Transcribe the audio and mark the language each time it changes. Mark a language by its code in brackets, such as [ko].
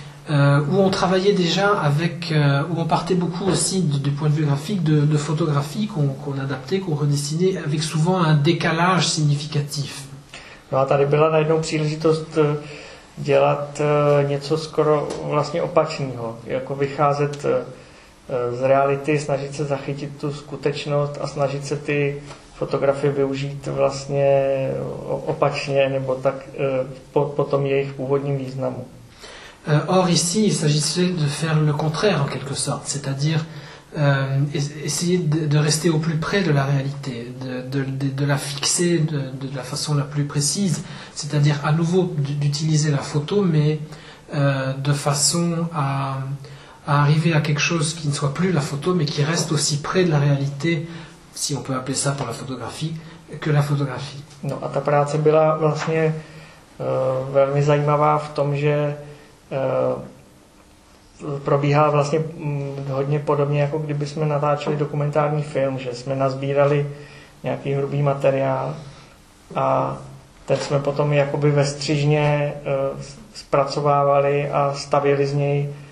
[fr] on travaillait déjà avec, où on partait beaucoup aussi du point de vue graphique, de photographie qu'on adaptait, qu'on redessinait, avec souvent un décalage significatif. [cs] No a tady byla najednou příležitost dělat něco skoro vlastně opačného, jako vycházet z reality, snažit se zachytit tu skutečnost a snažit se ty fotografie využít vlastně opačně nebo tak po tom jejich původním významu. [fr] Or ici, il s'agissait de faire le contraire en quelque sorte, c'est-à-dire essayer de rester au plus près de la réalité, de la fixer de la façon la plus précise, c'est-à-dire à nouveau d'utiliser la photo, mais de façon à arriver à quelque chose qui ne soit plus la photo, mais qui reste aussi près de la réalité, si on peut appeler ça pour la photographie, que la photographie. [cs] Non, a ta práce byla vlastně velmi zajímavá v tom, že probíhá vlastně hodně podobně, jako kdyby jsme natáčeli dokumentární film, že jsme nazbírali nějaký hrubý materiál a ten jsme potom jakoby ve střižně zpracovávali a stavili z něj